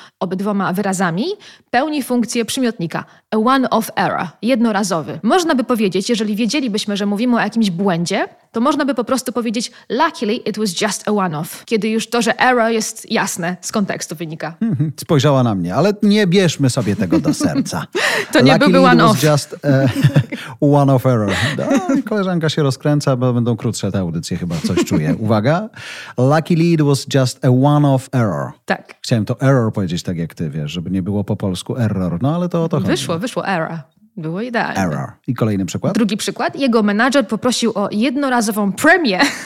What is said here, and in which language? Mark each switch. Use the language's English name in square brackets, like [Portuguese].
[Polish] obydwoma wyrazami, pełni funkcję przymiotnika. [English] A one-off error, [Polish] jednorazowy. Można by powiedzieć, jeżeli wiedzielibyśmy, że mówimy o jakimś błędzie, to można by po prostu powiedzieć [English] luckily it was just a one-off. [Polish] Kiedy już to, że error jest jasne, z kontekstu wynika. Spojrzała na mnie, ale nie bierzmy sobie tego do serca. To nie byłby one-off. [English] Luckily it was just a one-off error. [Polish] Koleżanka się rozkręca, bo będą krótsze te audycje, chyba coś czuję. Uwaga. [English] Luckily it was just a one-off error. [Polish] Tak. Chciałem to error powiedzieć tak jak ty, wiesz, żeby nie było po polsku error. No ale to o to chodzi. Wyszło error. Było idealnie. Error. I kolejny przykład? Drugi przykład. Jego menadżer poprosił o jednorazową premię.